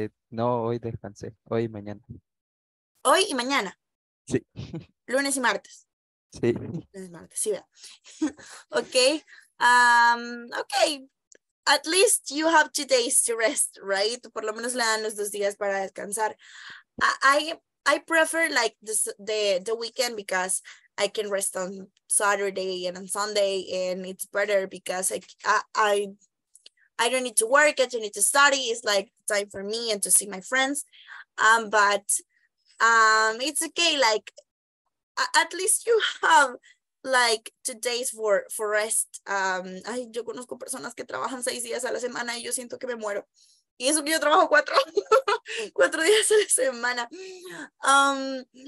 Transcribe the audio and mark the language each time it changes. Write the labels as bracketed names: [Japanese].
[Spanish] No, hoy descansé, hoy y mañana. Hoy y mañana. Sí. Lunes y martes. Sí. Lunes y martes, sí, vea. Okay. [English] At least you have 2 days to rest, right? [Spanish] Por lo menos le dan los 2 días para descansar. [English] I prefer like the weekend because I can rest on Saturday and on Sunday and it's better because I don't need to work, I don't need to study. It's like time for me and to see my friends. But it's okay. Like at least you have like 2 days for rest. [Spanish] Ay, yo conozco personas que trabajan 6 días a la semana y yo siento que me muero. Y eso que yo trabajo cuatro días a la semana.